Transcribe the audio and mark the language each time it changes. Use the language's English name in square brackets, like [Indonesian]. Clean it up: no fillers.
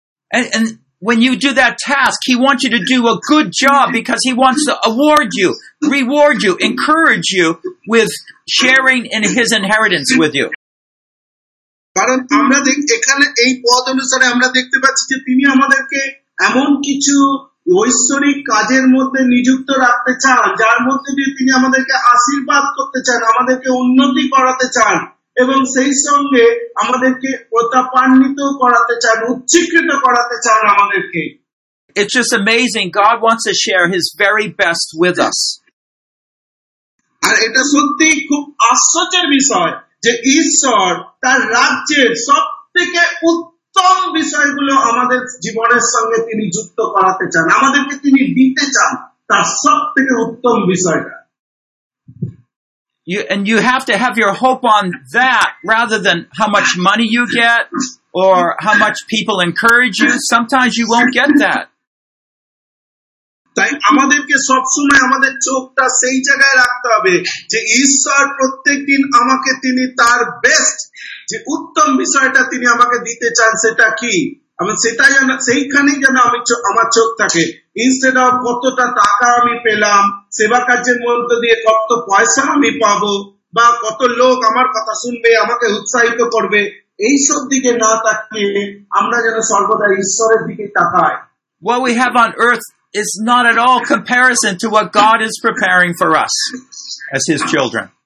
[English] And when you do that task, he wants you to do a good job because he wants to award you, reward you, encourage you with sharing in his inheritance with you. [Bangla] কারণ আমরা এখানে এই পদ অনুসারে আমরা দেখতে পাচ্ছি যে তিনি আমাদেরকে এমন কিছু ঐশ্বরিক কাজের মধ্যে নিযুক্ত রাখতে চান যার মধ্যে দিয়ে তিনি আমাদেরকে আশীর্বাদ করতে চান, আমাদেরকে উন্নতি করাতে চান এবং সেই সঙ্গে আমাদেরকে প্রতাপান্বিত করাতে চান, উচ্চিকৃত করাতে চান আমাদেরকে। [English] It's just amazing. God wants to share his very best with us. [Bangla] আর এটা সত্যি খুব আশ্চর্যের বিষয় যে ঈশ্বর তার রাজ্যের সব থেকে উত্তম বিষয়গুলো আমাদের জীবনের সঙ্গে তিনি যুক্ত করাতে চান, আমাদেরকে তিনি দিতে চান তার সব থেকে উত্তম বিষয়টা। [English] You, and you have to have your hope on that rather than how much money you get or how much people encourage you. Sometimes you won't get that. [Bangla] তাই আমাদেরকে সবসময় আমাদের চোখটা সেই জায়গায় রাখতে হবে যে ঈশ্বর প্রত্যেকদিন আমাকে তিনি তার বেস্ট যে উত্তম বিষয়টা তিনি আমাকে দিতে চান সেটা কি, আমি সেটা যেন সেইখানেই যেন আমি আমার চোখ থাকে। [English] instead of [Bangla] কতটা টাকা আমি পেলাম সেবা কাজের মধ্য দিয়ে, কত পয়সা আমি পাবো বা কত লোক আমার কথা শুনবে আমাকে উৎসাহিত করবে, এইসব দিকে না তাকিয়ে আমরা যেন সর্বদা ঈশ্বরের দিকে তাকাই। [English] What we have on earth is not at all comparison to what God is preparing for us as his children.